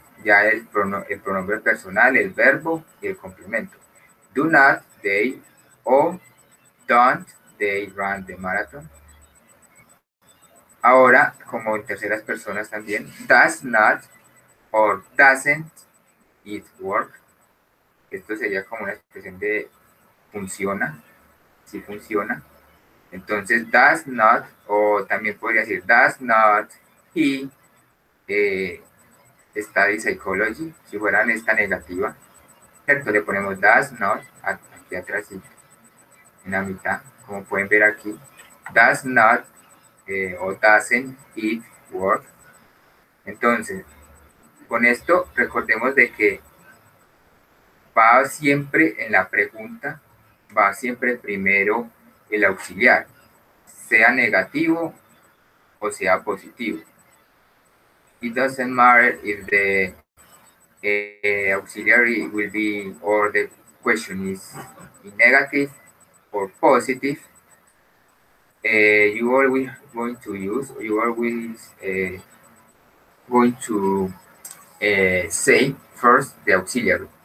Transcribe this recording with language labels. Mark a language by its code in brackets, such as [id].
[es] Ya el pronombre personal, el verbo y el complemento. [en] Do not they o don't they run the marathon? [es] Ahora, como en terceras personas también, [en] does not or doesn't it work? [es] Esto sería como una expresión de funciona, si funciona. Entonces, does not, o también podría decir, [en] does not he study psychology, [es] si fuera en esta negativa, ¿cierto? Le ponemos does not, aquí atrás, en la mitad, como pueden ver aquí, does not o doesn't it work. Entonces, con esto recordemos de que va siempre en la pregunta, va siempre primero el auxiliar, sea negativo o sea positivo. [en] It doesn't matter if the auxiliary will be or the question is negative or positive. You always going to use, you always going to say first the auxiliary.